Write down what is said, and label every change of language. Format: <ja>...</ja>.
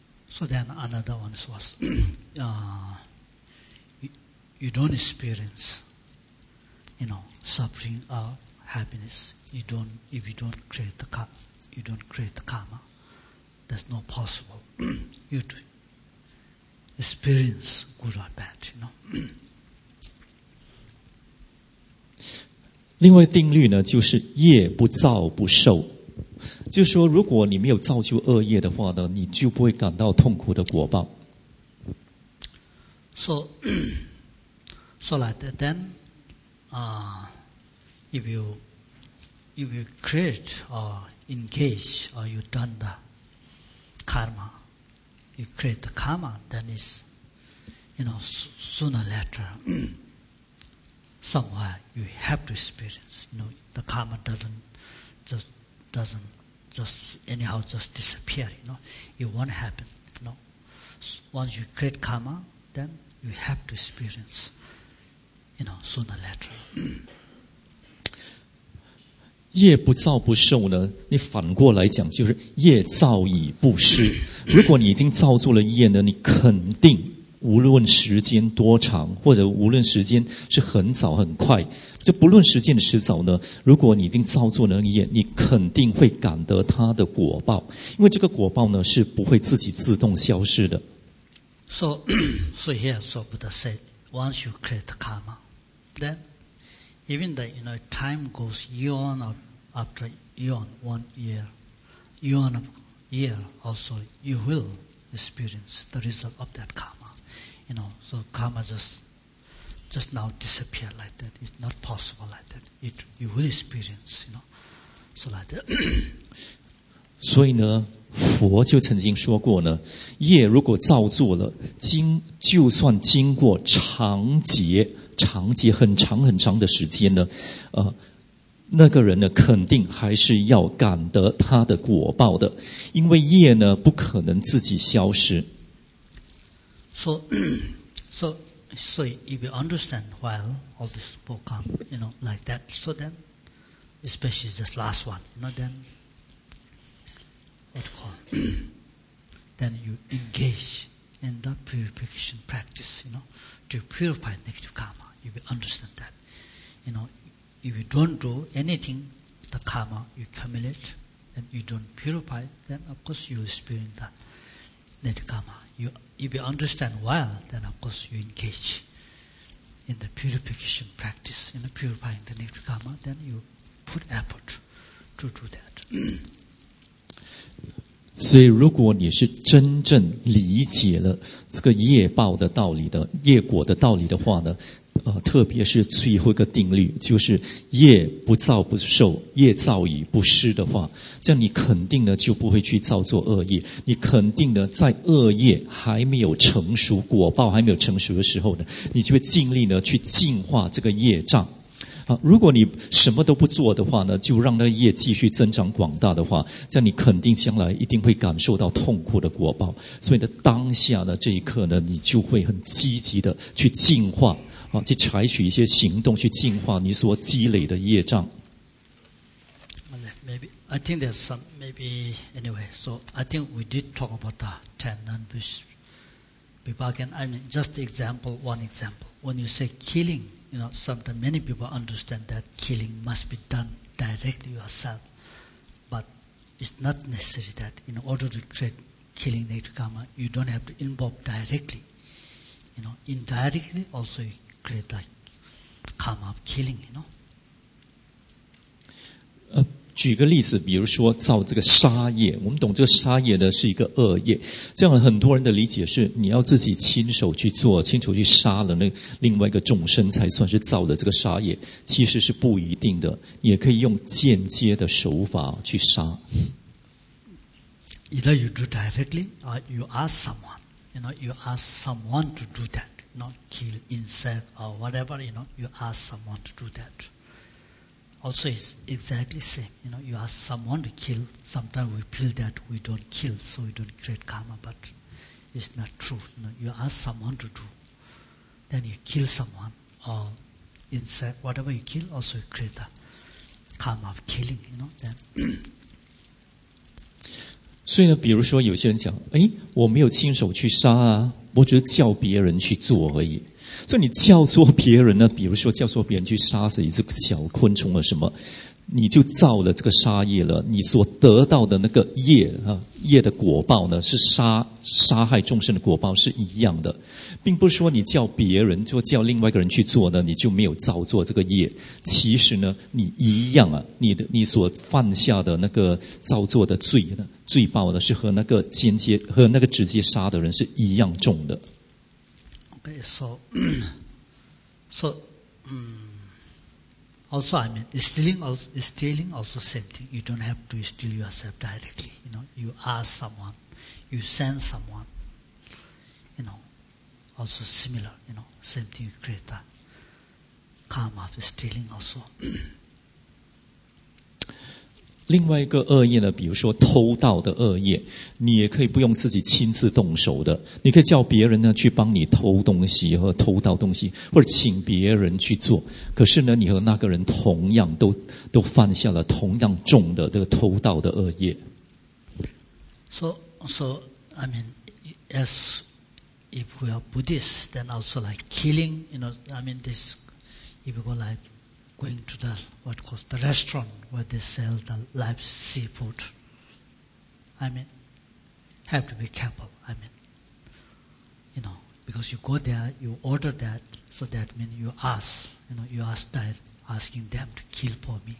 <en>So then another one was, you don't experience, you know, suffering or happiness. You don't create the karma, that's not possible. You do experience good or bad, you know.</en> <zh>另外定律呢，就是业不造不受。就是说如果你没有造就恶业的话呢，你就不会感到痛苦的果报。</zh> <en>So like that, then if you create or engage or you done the karma, you create the karma, then it's, you know, sooner or later somewhere you have to experience, you know, the karma doesn't just anyhow just disappear, you know. It won't happen, you know. Once you create karma, then you have to experience, you know, sooner or later.</en> <zh>业不造不受呢，你反过来讲就是业造已不失。如果你已经造作了业呢，你肯定无论时间多长，或者无论时间是很早很快，就不论时间的迟早呢，如果你已经造作了业，你肯定会感得它的果报，因为这个果报呢是不会自己自动消失的。</zh> <en>So here, so Buddha said, once you create karma, then even the, you know, time goes eon after eon, 1 year, eon of year also, you will experience the result of that karma. You know, so karma just now disappear like that. It's not possible like that. You will experience, you know. So like that.</en> <zh>所以呢，佛就曾经说过呢，业如果造作了，就算经过长劫很长很长的时间呢，那个人呢，肯定还是要感得他的果报的，因为业呢，不可能自己消失。</zh> <en>So if you understand why all this book come, you know, like that, so then, especially this last one, you know, then, what you call, then you engage in the purification practice, you know, to purify negative karma. If you understand that, you know, if you don't do anything, the karma you accumulate, then you don't purify, then of course you experience the negative karma. If you understand well, then of course you engage in the purification practice, in the purifying the negative karma, then you put effort to do that.</en> <zh>所以如果你是真正理解了这个业报的道理的，业果的道理的话呢，特别是最后一个定律，就是业不造不受，业造已不失的话，这样你肯定呢就不会去造作恶业，你肯定呢在恶业还没有成熟，果报还没有成熟的时候呢，你就会尽力呢去净化这个业障。如果你什么都不做的话呢，就让那个业继续增长广大的话，这样你肯定将来一定会感受到痛苦的果报。所以呢，当下的这一刻呢，你就会很积极的去净化，去采取一些行动去净化你所积累的业障。</zh> <en>Maybe I think there's some maybe anyway. So I think we did talk about the ten non-bush. Again, I mean just example, one example. When you say killing, you know, sometimes many people understand that killing must be done directly yourself, but it's not necessary that in order to create killing negative karma, you don't have to involve directly. You know, indirectly also. You create that karma of killing, you know.</en> <zh>举个例子，比如说造这个杀业，我们懂这个杀业呢是一个恶业，这样很多人的理解是你要自己亲手去做，亲手去杀了那另外一个众生才算是造的这个杀业，其实是不一定的，也可以用间接的手法去杀。</zh> <en>Either you do directly, or you ask someone, you know, you ask someone to do that. Not kill insect or whatever, you know, you ask someone to do that. Also, it's exactly the same. You know, you ask someone to kill, sometimes we feel that we don't kill, so we don't create karma, but it's not true. You know, you ask someone to do, then you kill someone or insect, whatever you kill, also you create the karma of killing, you know, then.</en> <zh>所以呢，比如说有些人讲，诶，我没有亲手去杀啊，我只是叫别人去做而已。所以你教唆别人呢，比如说教唆别人去杀死一只小昆虫或什么，你就造了这个杀业了，你所得到的那个业啊，业的果报呢，是杀害众生的果报是一样的，并不是说你叫别人做，叫另外一个人去做呢，你就没有造作这个业。其实呢，你一样啊，你所犯下的那个造作的罪呢，罪报呢，是和那个间接和那个直接杀的人是一样重的。</zh> <en>Okay, so. Also, I mean, stealing also same thing. You don't have to steal yourself directly. You know, you ask someone, you send someone. You know, also similar, you know, same thing, you create that karma of stealing also.</en> <zh>另外一个恶业呢，比如说偷盗的恶业，你也可以不用自己亲自动手的，你可以叫别人呢去帮你偷东西和偷盗东西，或者请别人去做。可是呢，你和那个人同样都犯下了同样重的这个偷盗的恶业。</zh> <en>So I mean, as if we are Buddhists, then also like killing, you know, I mean this, if we go like. Going to the what called the restaurant where they sell the live seafood. I mean, have to be careful. I mean, you know, because you go there, you order that, so that means you ask, you know, you ask that asking them to kill for me.</en>